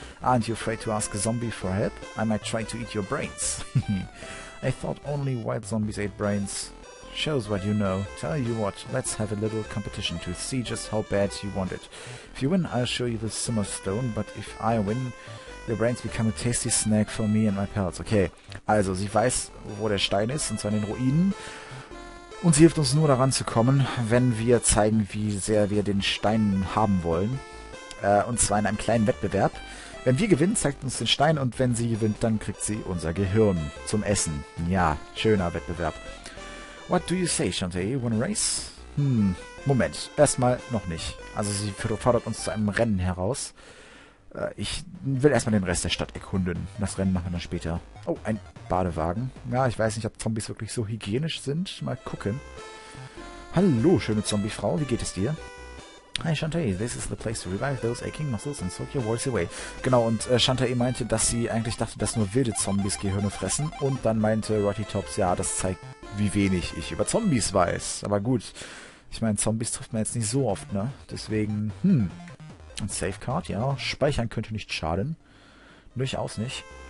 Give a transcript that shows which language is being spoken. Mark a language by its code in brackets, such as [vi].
[en] Aren't you afraid to ask a zombie for help? I might try to eat your brains. I thought only wild zombies ate brains. Shows what you know. Tell you what, let's have a little competition to see just how bad you want it. If you win, I'll show you the Simmer Stone, but if I win, the brains become a tasty snack for me and my pals. [de] Okay, also sie weiß, wo der Stein ist, und zwar in den Ruinen. Und sie hilft uns nur daran zu kommen, wenn wir zeigen, wie sehr wir den Stein haben wollen. Und zwar in einem kleinen Wettbewerb. Wenn wir gewinnen, zeigt uns den Stein, und wenn sie gewinnt, dann kriegt sie unser Gehirn zum Essen. Ja, schöner Wettbewerb. [en] What do you say, Shantae? Wanna race? [de] Moment. Erstmal noch nicht. Also sie fordert uns zu einem Rennen heraus. Ich will erstmal den Rest der Stadt erkunden. Das Rennen machen wir dann später. Oh, ein Badewagen. Ja, ich weiß nicht, ob Zombies wirklich so hygienisch sind. Mal gucken. Hallo, schöne Zombiefrau. Wie geht es dir? [en] Hi Shantae, this is the place to revive those aching muscles and soak your worries away. [de] Genau, und Shantae meinte, dass sie eigentlich dachte, dass nur wilde Zombies Gehirne fressen. Und dann meinte Rotty Tops, ja, das zeigt, wie wenig ich über Zombies weiß. Aber gut, ich meine, Zombies trifft man jetzt nicht so oft, ne? Deswegen, Ein Safecard, ja, speichern könnte nicht schaden. Durchaus nicht.